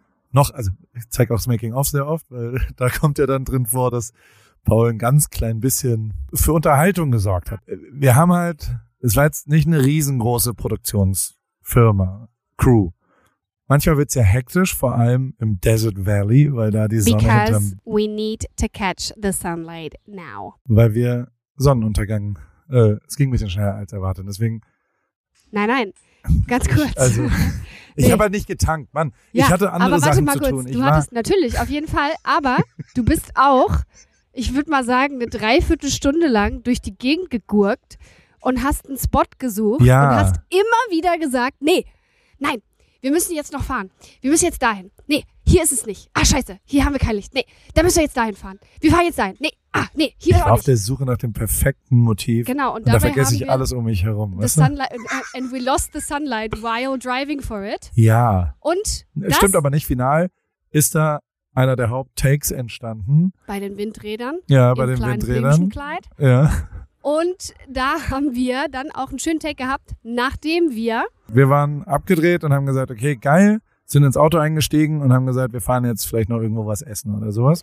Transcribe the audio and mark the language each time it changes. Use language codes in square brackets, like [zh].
[de] Noch, also ich zeige auch das Making-of sehr oft, weil da kommt ja dann drin vor, dass Paul ein ganz klein bisschen für Unterhaltung gesorgt hat. Wir haben halt, es war jetzt nicht eine riesengroße Produktionsfirma, Crew. Manchmal wird's ja hektisch, vor allem im Desert Valley, weil da die Sonne hinterm... [en] Because we need to catch the sunlight now. [de] Weil wir Sonnenuntergang, es ging ein bisschen schneller als erwartet, deswegen... Nein, nein, ganz kurz. Also, ich habe halt nicht getankt, Mann. Ja, ich hatte andere aber Sachen mal zu kurz, tun. Du hattest natürlich, auf jeden Fall, aber du bist auch, ich würde mal sagen, eine Dreiviertelstunde lang durch die Gegend gegurkt und hast einen Spot gesucht, ja, und hast immer wieder gesagt, nee, nein, wir müssen jetzt noch fahren. Wir müssen jetzt dahin. Nee, hier ist es nicht. Ah, scheiße, hier haben wir kein Licht. Nee, da müssen wir jetzt dahin fahren. Wir fahren jetzt dahin. Nee, ah, nee, hier ich war nicht. Auf der Suche nach dem perfekten Motiv. Genau, und da vergesse ich alles um mich herum. [en] The sunlight, and we lost the sunlight while driving for it. [de] Ja. Und das stimmt aber nicht. Final ist da einer der Haupttakes entstanden. Bei den Windrädern. Ja, bei den Windrädern. Im kleinen Riemchenkleid. Ja. Und da haben wir dann auch einen schönen Take gehabt, nachdem wir... Wir waren abgedreht und haben gesagt, okay, geil, sind ins Auto eingestiegen und haben gesagt, wir fahren jetzt vielleicht noch irgendwo was essen oder sowas.